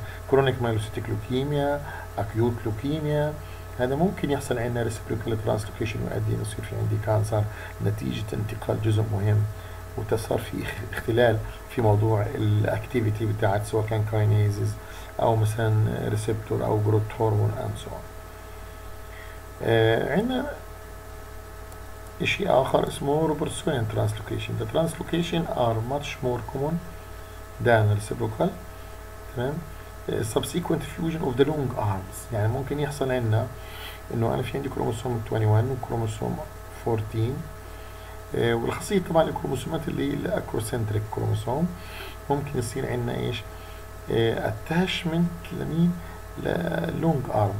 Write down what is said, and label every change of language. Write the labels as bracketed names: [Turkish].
[Arabic] كرونيك مايلوسيتيك لوكيميا [English] acute leukemia، [Arabic] هذا ممكن يحصل عندنا [English] reciprocal translocation [Arabic] ويؤدي يصير في عندي كانسر نتيجة انتقال جزء مهم وتصار في اختلال في موضوع الاكتيفيتي بتاعت سواء كان كاينيزز او مثلا ريسبتور او جروت هرمون اند سو اون. عندنا شيء آخر اسمه ريبرسوين ترانسلوكيشن. [English] The translocation are much more common than reciprocal. [Arabic] تمام. [English] Subsequent fusion of the long arms. [Arabic] يعني ممكن يحصل عندنا إنه أنا في عندي كروموسوم 21 وكروموسوم 14. والخاصية طبعا الكروموسومات اللي هي الأكروسنتريك كروموسوم، ممكن يصير عندنا إيش؟ attachment لمين؟ لونج ارم.